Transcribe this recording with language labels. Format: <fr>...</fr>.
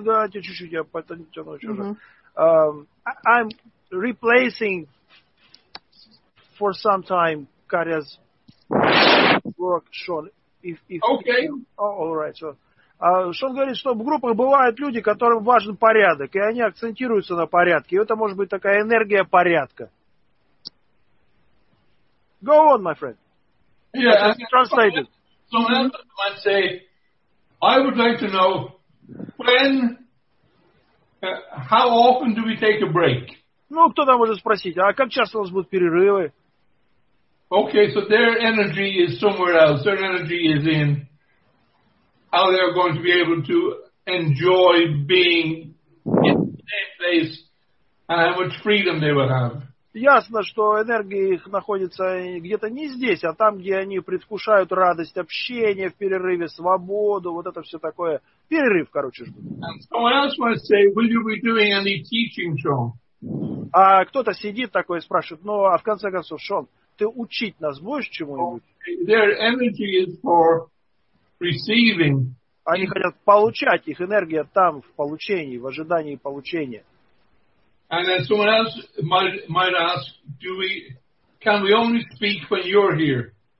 <ru>Давайте чуть-чуть, я потяну еще раз.</ru> <en>I'm replacing for some time Katya's work, Sean. If okay. All right.</en> <ru>So, Sean говорит, что в группах бывают люди, которым важен порядок, и они акцентируются на порядке. И это может быть такая энергия порядка.</ru> <en>Go on, my friend. Yeah, some members might say, I would like to know when, how often do we take a break?</en> <ru>Ну, кто-то может спросить, а как часто у нас будут перерывы?</ru> <en>Okay, so their energy is somewhere else. Their energy is in how they are going to be able to enjoy being in the same place and how much freedom they will have.</en> <ru>ясно, что энергия их находится где-то не здесь, а там, где они предвкушают радость общения в перерыве, свободу, вот это все такое. Перерыв, короче.</ru> <en>So say, will you be doing any teaching, Sean?</en> <ru>А кто-то сидит такой и спрашивает, ну, а в конце концов, Шон, ты учить нас будешь чему-нибудь?</ru> <en>Their energy is for receiving.</en> <ru>Они хотят получать, их энергия там, в получении, в ожидании получения.</ru> <en>And then someone else might ask, do we, can we only speak when you're here?</en>